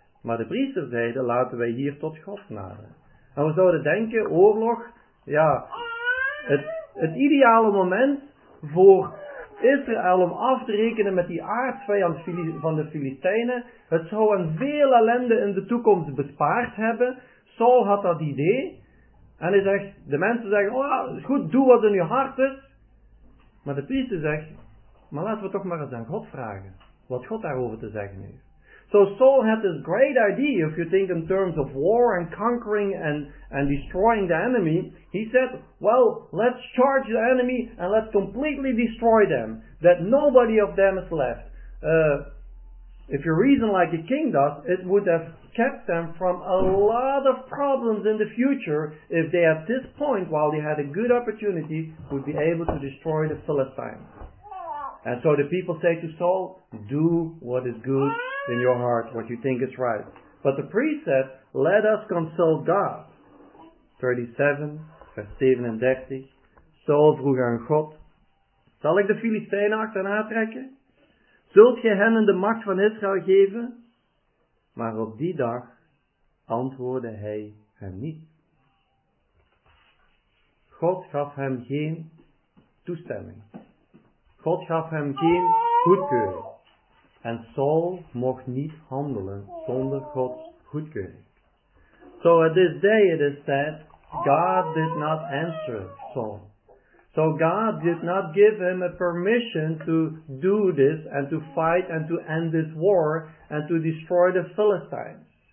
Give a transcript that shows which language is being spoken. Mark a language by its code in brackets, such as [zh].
[nl] Maar de priester zeiden, laten wij hier tot God naderen. En we zouden denken, oorlog, ja, het ideale moment voor Israël om af te rekenen met die aardsvijand van de Filistijnen, het zou een veel ellende in de toekomst bespaard hebben. Saul had dat idee en hij zegt, de mensen zeggen, oh, goed, doe wat in je hart is. Maar de priester zegt, maar laten we toch maar eens aan God vragen, wat God daarover te zeggen heeft. [en] So Saul had this great idea, if you think in terms of war and conquering and destroying the enemy. He said, well, let's charge the enemy and let's completely destroy them, that nobody of them is left. If you reason like a king does, it would have kept them from a lot of problems in the future if they at this point, while they had a good opportunity, would be able to destroy the Philistines. And so the people say to Saul, do what is good in your heart, what you think is right. But the priest said, let us consult God. [nl] 37, vers 37. Saul vroeg aan God, zal ik de Filistijnen achterna trekken? Zult gij hen in de macht van Israël geven? Maar op die dag antwoordde hij hem niet. God gaf hem geen toestemming. God gaf hem geen goedkeuring. En Saul mocht niet handelen zonder Gods goedkeuring. [en] So at this day it is said, God did not answer Saul. So God did not give him a permission to do this and to fight and to end this war and to destroy the Philistines.